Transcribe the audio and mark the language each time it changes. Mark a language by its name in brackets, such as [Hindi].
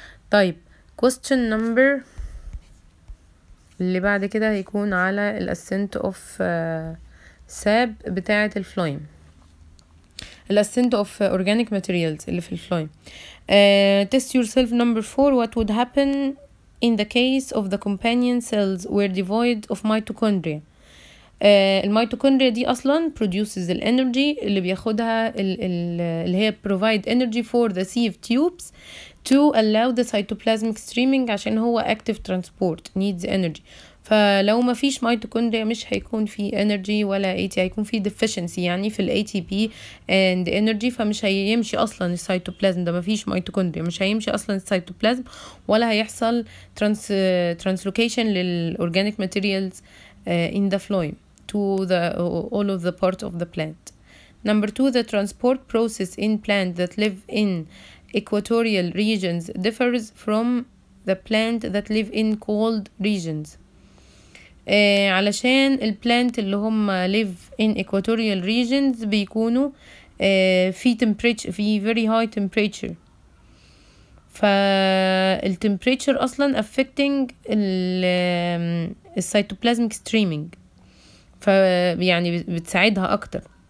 [Arabic] طيب question number اللي بعد كده هيكون على الاسنت اوف ساب بتاعة الفلويم, الاسنت اوف اورجانيك ماتيريالز اللي في الفلويم. [English] Test yourself number 4, what would happen in the case of the companion cells were devoid of mitochondria. [Arabic] الميتوكوندريا دي اصلا [English] produces [Arabic] الانرجي اللي بياخدها اللي هي [English] provide energy for the sieve tubes to allow the cytoplasmic streaming, عشان هو active transport needs energy. [Arabic] فلو ما فيش ميتوكوندريا مش هيكون في energy ولا ATP, هيكون في deficiency يعني في الATP and energy, فمش هيمشي اصلا السيتوبلازم ده, ما فيش ميتوكوندريا مش هيمشي اصلا السيتوبلازم ولا هيحصل translocation للorganic materials in the phloem to the all of the part of the plant. [English] Number 2, the transport process in plant that live in equatorial regions differs from the plant that live in cold regions. [Arabic] علشان ال plant اللي هم [English] live in equatorial regions [Arabic] بيكونوا في temperature, في [English] very high temperature, [Arabic] فال temperature أصلا affecting ال السيتوبلازميك ستريمينج, ف يعني بتساعدها اكتر.